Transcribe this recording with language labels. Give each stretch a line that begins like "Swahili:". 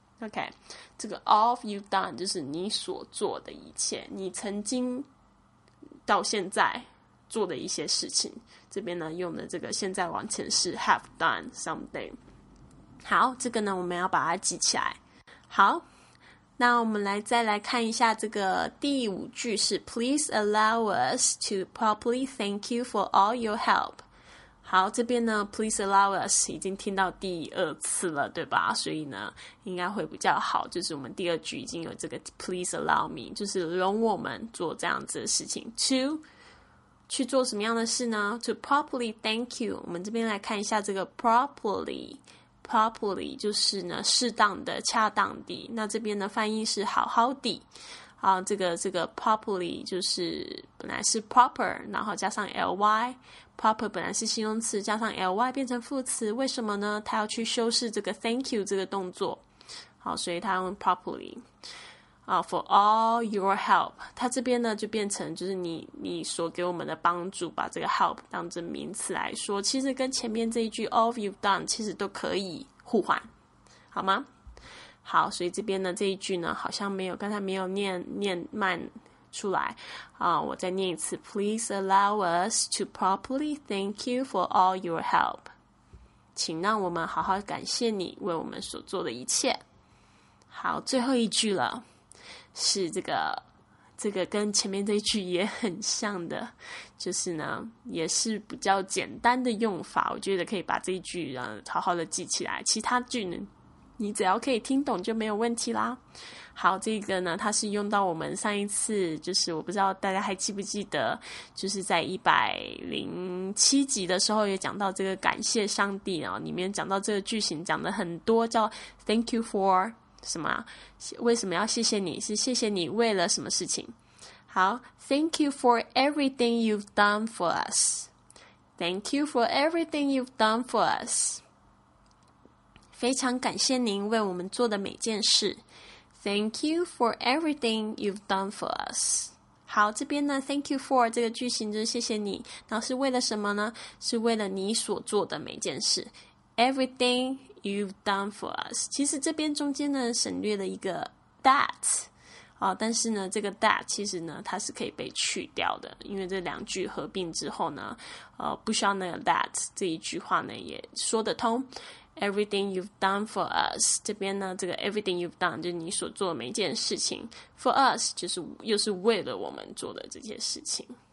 Chinese: OK， 这个
English: all you've done
Chinese: 就是你所做的一切，你曾经到现在做的一些事情，这边呢用的这个现在完成式
English: have done something。
Chinese: 好，这个呢我们要把它记起来。好，那我们来再来看一下这个第五句是
English: Please allow us to properly thank you for all your help。
Chinese: 好，这边呢
English: Please allow us
Chinese: 已经听到第二次了，对吧？所以呢应该会比较好，就是我们第二句已经有这个
English: Please allow me，
Chinese: 就是容我们做这样子的事情。去做什么样的事呢？
English: To properly thank you，
Chinese: 我们这边来看一下这个 properly 就是呢适当的恰当的，那这边的翻译是好好的啊。这个 properly 就是本来是 proper 然后加上 ly， proper 本来是形容词加上 ly 变成副词，为什么呢？它要去修饰这个 thank you 这个动作。好，所以它用 properly 啊。
English: For all your help，
Chinese: 它这边呢就变成就是你所给我们的帮助，把这个 help 当成名词来说，其实跟前面这一句
English: all you've done
Chinese: 其实都可以互换，好吗？好，所以这边呢这一句呢好像没有刚才没有念慢出来啊，我再念一次。
English: Please allow us to properly thank you for all your help，
Chinese: 请让我们好好感谢你为我们所做的一切。好，最后一句了，是这个跟前面这一句也很像的，就是呢也是比较简单的用法，我觉得可以把这一句好好的记起来，其他句呢你只要可以听懂就没有问题啦。好，这个呢，它是用到我们上一次，就是我不知道大家还记不记得，就是在107集的时候也讲到这个感谢上帝哦，里面讲到这个句型讲的很多，叫
English: thank you for
Chinese: 什么，为什么要谢谢你，是谢谢你为了什么事情。
English: 好， thank you for everything you've done for us. Thank you for everything you've done for us.
Chinese: 非常感谢您为我们做的每件事。
English: Thank you for everything you've done for us.
Chinese: 好，这边呢
English: thank you for
Chinese: 这个句型就是谢谢你，然后是为了什么呢，是为了你所做的每件事。
English: Everything you've done for us.
Chinese: 其实这边中间呢省略了一个 that、哦、但是呢这个 that 其实呢它是可以被去掉的，因为这两句合并之后呢、不需要那个 that， 这一句话呢也说得通。
English: Everything you've done for us，
Chinese: 这边呢这个
English: everything you've done
Chinese: 就是你所做的每件事情，
English: for us
Chinese: 就是又是为了我们做的这些事情。